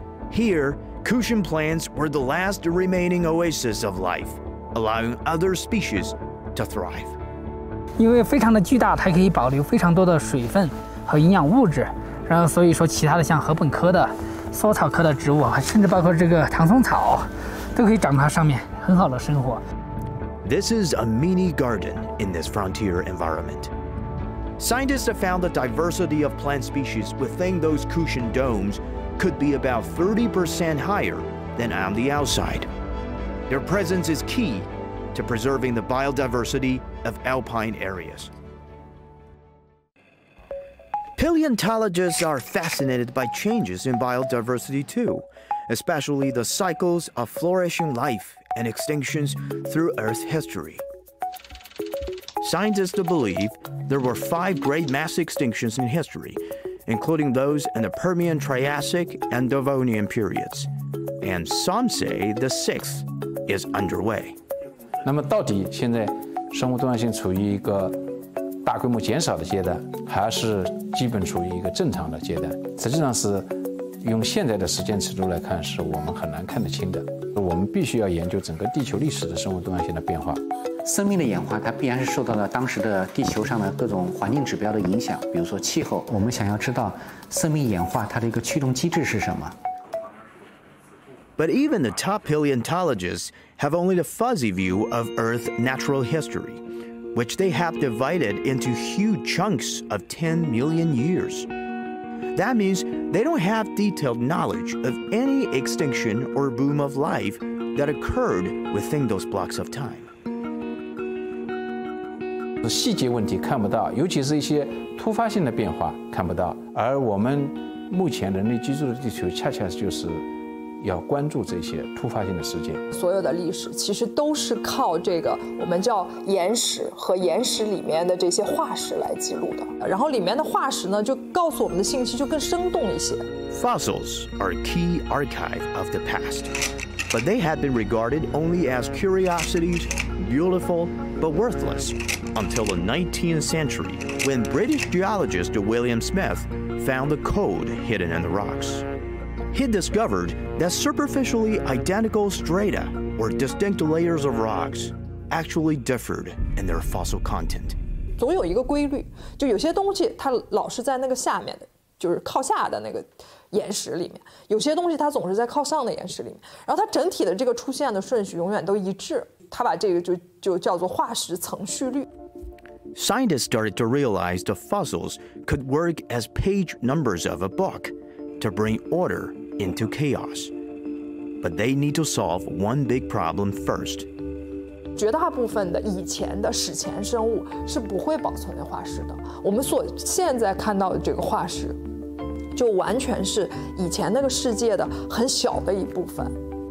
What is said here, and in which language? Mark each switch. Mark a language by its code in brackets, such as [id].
[en] Here, cushion plants were the last remaining oasis of life, allowing other species to thrive. [zh] 因为非常的巨大，它可以保留非常多的水分和营养物质，然后所以说其他的像禾本科的、缩草科的植物，甚至包括这个唐松草，都可以长到上面，很好的生活。 [en] This is a mini garden in this frontier environment. Scientists have found the diversity of plant species within those cushion domes could be about 30% higher than on the outside. Their presence is key to preserving the biodiversity. Of alpine areas. Paleontologists are fascinated by changes in biodiversity too, especially the cycles of flourishing life and extinctions through Earth's history. Scientists believe there were 5 great mass extinctions in history, including those in the Permian, Triassic, and Devonian periods. And some say the 6th is underway. [zh] 那么到底现在生物多样性处于一个大规模减少的阶段，还是基本处于一个正常的阶段？实际上是用现在的时间尺度来看，是我们很难看得清的。我们必须要研究整个地球历史的生物多样性的变化。生命的演化，它必然是受到了当时的地球上的各种环境指标的影响，比如说气候。我们想要知道生命演化它的一个驱动机制是什么。 [en] But even the top paleontologists have only a fuzzy view of Earth's natural history, which they have divided into huge chunks of 10 million years. That means they don't have detailed knowledge of any extinction or boom of life that occurred within those blocks of time. [zh] 细节问题看不到，尤其是一些突发性的变化看不到。而我们目前人类居住的地球，恰恰就是。要关注这些突发性的事件。所有的历史其实都是靠这个我们叫岩石和岩石里面的这些化石来记录的，然后里面的化石呢就告诉我们的信息就更生动一些。 [en] Fossils are key archive of the past, but they have been regarded only as curiositiesBeautiful, but worthless, until the 19th century, when British geologist William Smith found the code hidden in the rocks. He discovered that superficially identical strata, or distinct layers of rocks, actually differed in their fossil content. [zh] 总有一个规律，就有些东西它老是在那个下面的，就是靠下的那个岩石里面，有些东西它总是在靠上的岩石里面，然后它整体的这个出现的顺序永远都一致。他把这个 就叫做化石程序律。 [en] Scientists started to realize the fossils could work as page numbers of a book to bring order into chaos. But they need to solve one big problem first. [zh] 绝大部分的以前的史前生物是不会保存的化石的，我们所现在看到的这个化石就完全是以前那个世界的很小的一部分。